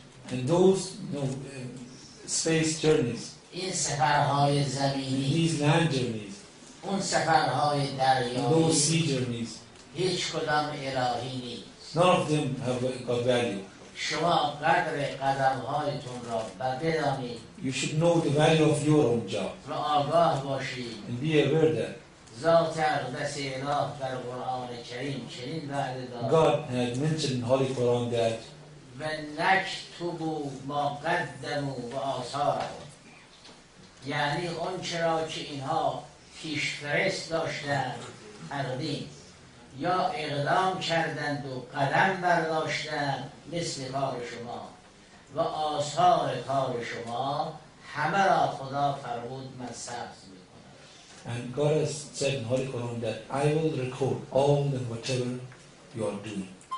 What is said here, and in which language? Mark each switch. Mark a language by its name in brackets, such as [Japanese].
[English] And those space journeys. [Persian] این سفرهای زمینی. [English] These land journeys. [Persian] اون سفرهای دریایی. [English] Those sea journeys. [Persian] هیچ کدام الهی نیست. [English] None of them have got value. [Persian] شما قدر قدمهایتون را بدانید. [English] You should know the value of your own job. [Persian] را آگاه باشید. [English] And be aware that. [Persian] ذات اقدس اله در قرآن کریم چنین وعده داد. [English] God had mentioned in Holy Quran that. [Arabic] و نکتبو ما قدمو و آثارو، [Persian] یعنی اون چرا که اینها پیش فرست داشتند تقدیم یا اقدام کردند و قدم برداشتند مثل کار شما و آثار کار شما همه را خدا فرمود من ثبت میکنم. [English] And God has said in Holy Quran that I will record all and whatever you are doing.